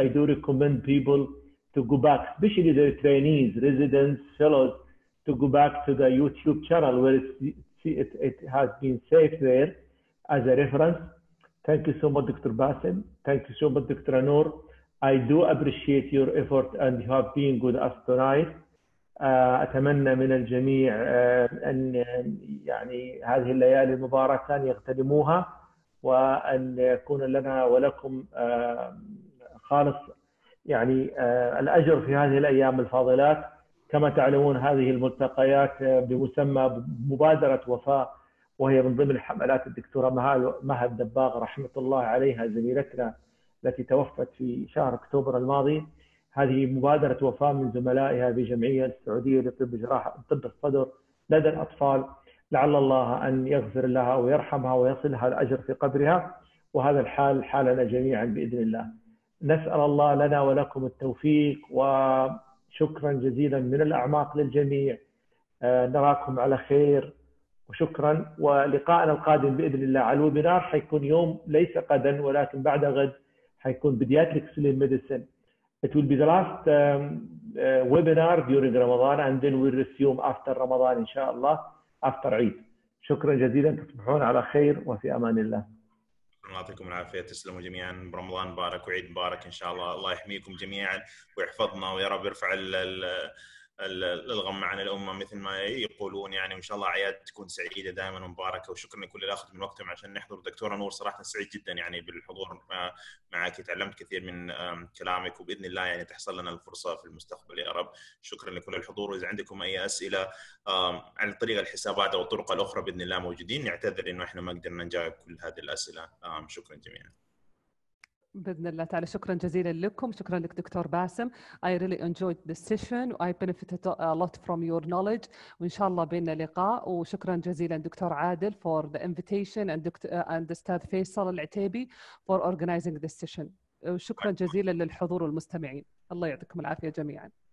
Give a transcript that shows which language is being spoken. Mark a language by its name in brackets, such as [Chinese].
[English] I do recommend people to go back, especially the trainees, residents, fellows, to go back to the YouTube channel where it has been saved there as a reference. Thank you so much, Dr. Bassem. Thank you so much, Dr. Noor. I do appreciate your effort and you have been with us tonight. [Arabic] أتمنى من الجميع أن يعني هذه الليالي المباركة يغتنموها وأن يكون لنا ولكم خالص يعني الأجر في هذه الأيام الفاضلات. كما تعلمون هذه الملتقيات بمسمى مبادرة وفاء وهي من ضمن حملات الدكتورة مها الدباغ رحمة الله عليها زميلتنا التي توفت في شهر أكتوبر الماضي. هذه مبادرة وفاة من زملائها في جمعية السعودية لطب جراحة طب الصدر لدى الأطفال. لعل الله أن يغفر لها ويرحمها ويصلها الأجر في قبرها، وهذا الحال حالنا جميعا بإذن الله. نسأل الله لنا ولكم التوفيق، وشكرا جزيلا من الأعماق للجميع. نراكم على خير وشكرا، ولقائنا القادم بإذن الله على الويبينار حيكون يوم ليس غدا ولكن بعد غد، حيكون بيدياتريك سليم ميديسن. [English] It will be the last webinar during Ramadan and then we'll resume after Ramadan, inshallah, after Eid. [Arabic] شكرا جزيلا، تصبحون على خير وفي أمان الله. يعطيكم العافية، تسلموا جميعا، رمضان مبارك وعيد مبارك إن شاء الله، الله يحميكم جميعا ويحفظنا ويا رب يرفع الغم عن الأمة مثل ما يقولون يعني، وإن شاء الله أعياد تكون سعيدة دائما ومباركة. وشكرا لكل اللي أخذ من وقتهم عشان نحضر. دكتورة نور صراحة سعيد جدا يعني بالحضور معك، تعلمت كثير من كلامك، وبإذن الله يعني تحصل لنا الفرصة في المستقبل يا رب. شكرا لكل الحضور، وإذا عندكم أي أسئلة عن طريق الحسابات أو الطرق الأخرى بإذن الله موجودين. نعتذر إنه إحنا ما قدرنا نجاوب كل هذه الأسئلة. شكرا جميعا. بإذن الله تعالى، شكرا جزيلا لكم، شكرا لك دكتور باسم. [English] I really enjoyed this session. I benefited a lot from your knowledge. [Arabic] وإن شاء الله بيننا لقاء. وشكرا جزيلا دكتور عادل [English] for the invitation and [Arabic] أستاذ فيصل العتيبي [English] for organizing this session. [Arabic] وشكرا جزيلا للحضور والمستمعين. الله يعطيكم العافية جميعا.